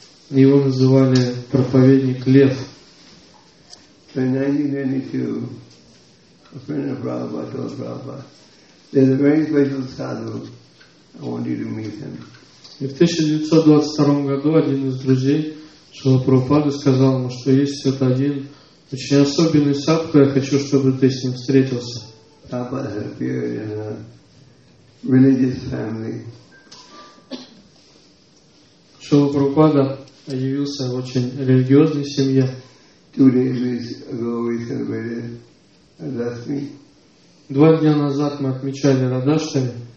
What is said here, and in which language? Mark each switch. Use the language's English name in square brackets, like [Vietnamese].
[Russian] Его называли проповедник лев. [English] So in 1992, a friend of Prabhupada told Prabhupada, there's a very special sadhu, I want you to meet him. [Russian] И в 1922 году один из друзей Шрила Прабхупада сказал ему, что есть вот один очень особенный садху, я хочу, чтобы ты с ним встретился. [English] Prabhupada had appeared in a religious family. [Russian] Шрила Прабхупада явился в очень религиозной семье. [English] 2 days ago we celebrated Radhashtami. [Russian] 2 дня назад мы отмечали Радхаштами.